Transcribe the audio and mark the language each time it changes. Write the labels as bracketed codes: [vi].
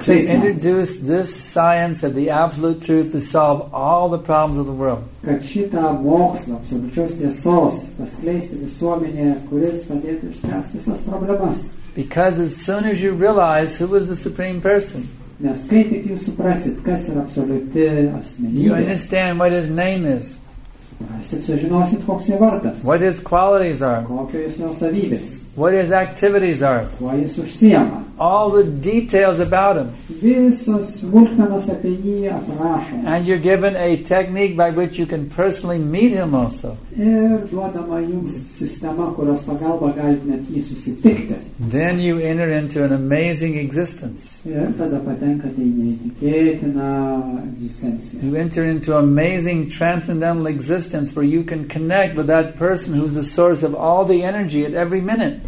[en] To introduce this science of the absolute truth to solve all the problems of the world. Because as soon as you realize who is the Supreme Person, [lt] nes kai tik jūs suprasit, kas yra absoliuti asmenybė. [en] You understand what his name is. [lt] Suprasit, sužinosit, koks jo vardas. [en] What his qualities are. [lt] Kokios jo savybės. [en] What his activities are. [lt] Kuo jis užsiema. [en] All the details about him. [lt] Visos smulkmenos apie jį aprašo. [en] And you're given a technique by which you can personally meet him also. [lt] Ir duodama jums sistema, kurios pagalba galite net jį susitikti. [en] Then you enter into an amazing existence. [lt] Ir tada patenkate į neįtikėtiną egzistenciją. [en] You enter into amazing transcendental existence where you can connect with that person who's the source of all the energy at every minute.